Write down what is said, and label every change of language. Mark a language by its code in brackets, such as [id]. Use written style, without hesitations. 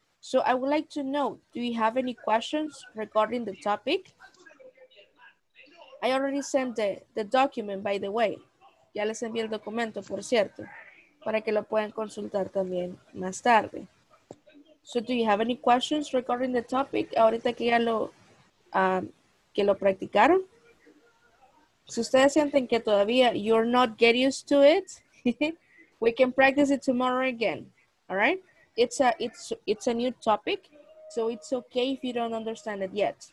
[en] So I would like to know, do you have any questions regarding the topic? I already sent the document, by the way. [es] Ya les envié el documento, por cierto, para que lo puedan consultar también más tarde. [en] So do you have any questions regarding the topic? [es] Ahorita que ya lo, que lo practicaron. Si ustedes sienten que todavía [en] you're not get used to it, we can practice it tomorrow again. All right? It's a new topic, so it's okay if you don't understand it yet.